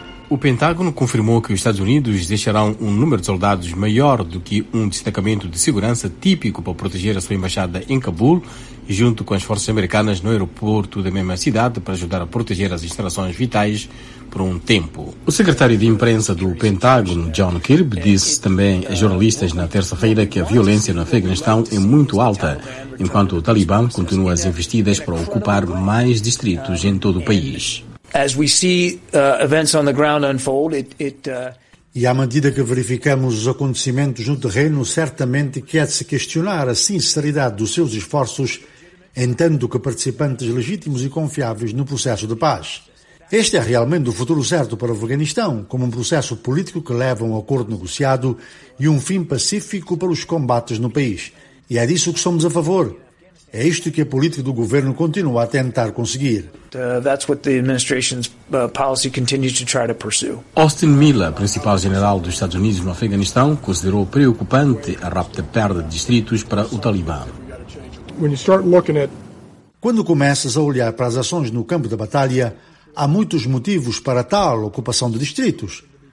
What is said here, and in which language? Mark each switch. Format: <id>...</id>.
<pt>O Pentágono confirmou que os Estados Unidos deixarão um número de soldados maior do que um destacamento de segurança típico para proteger a sua embaixada em Cabul, junto com as forças americanas no aeroporto da mesma cidade para ajudar a proteger as instalações vitais por um tempo. O secretário de imprensa do Pentágono, John Kirby, disse também a jornalistas na terça-feira que a violência no Afeganistão é muito alta, enquanto o Talibã continua as investidas para ocupar mais distritos em todo o país.</pt> <en>As we see events on the ground unfold,</en> <pt>e à medida que verificamos os acontecimentos no terreno, certamente quer-se questionar a sinceridade dos seus esforços, em tanto que participantes legítimos e confiáveis no processo de paz. Este é realmente o futuro certo para o Afeganistão, como um processo político que leva a um acordo negociado e um fim pacífico para os combates no país. E é disso que somos a favor. É isto que a política do governo continua a tentar conseguir.</pt> <en>That's what the administration's policy continues to try to pursue.</en> <pt>Austin Miller, principal general dos Estados Unidos no Afeganistão, considerou preocupante a rápida perda de distritos para o Talibã. Quando começas a olhar para as ações no campo da batalha, há muitos motivos para tal ocupação de distritos.</pt>